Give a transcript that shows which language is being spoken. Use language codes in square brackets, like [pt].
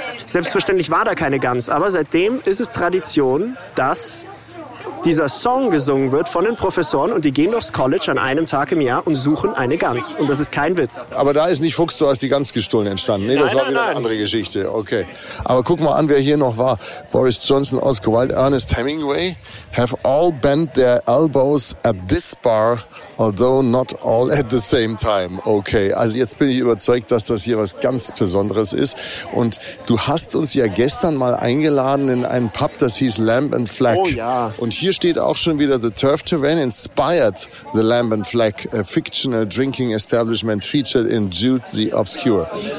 [de] Selbstverständlich war da keine Gans, aber seitdem ist es Tradition, dass dieser Song gesungen wird von den Professoren und die gehen durchs College an einem Tag im Jahr und suchen eine Gans. Und das ist kein Witz. Aber da ist nicht Fuchs, du hast die Gans gestohlen entstanden. Nee, das war wieder eine andere Geschichte. Okay. Aber guck mal an, wer hier noch war. [en] Boris Johnson, Oscar Wilde, Ernest Hemingway have all bent their elbows at this bar, although not all at the same time. [de] Okay, also jetzt bin ich überzeugt, dass das hier was ganz Besonderes ist. Und du hast uns ja gestern mal eingeladen in einen Pub, das hieß Lamb and Flag. Oh ja. Und hier steht auch schon wieder, [en] the Turf Tavern inspired the Lamb and Flag, a fictional drinking establishment featured in Jude the Obscure.